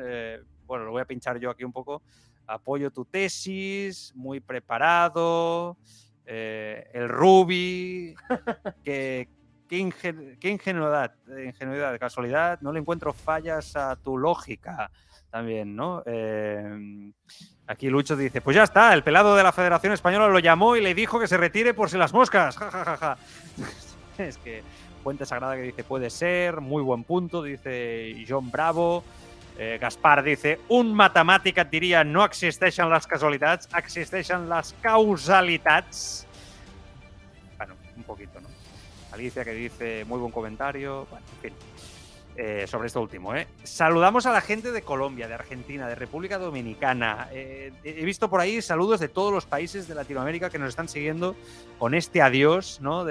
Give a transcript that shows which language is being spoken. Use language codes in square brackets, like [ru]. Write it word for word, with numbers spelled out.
[es] Eh, bueno, lo voy a pinchar yo aquí un poco. Apoyo tu tesis, muy preparado, eh, el Rubi, qué ingen, ingenuidad, ingenuidad, casualidad, no le encuentro fallas a tu lógica también, ¿no? Eh, aquí Lucho dice, pues ya está, el pelado de la Federación Española lo llamó y le dijo que se retire por si las moscas, jajajaja. Ja, ja, ja. Es que Fuente Sagrada que dice, puede ser, muy buen punto, dice John Bravo. Eh, Gaspar dice, [ca] un matemàtic et diria no existeixen les casualitats, existeixen les causalitats. [es] Bueno, un poquito, ¿no? Alicia que dice, muy buen comentario. Bueno, en fin, eh, sobre esto último, ¿eh? Saludamos a la gente de Colombia, de Argentina, de República Dominicana. Eh, he visto por ahí saludos de todos los países de Latinoamérica que nos están siguiendo con este adiós, ¿no?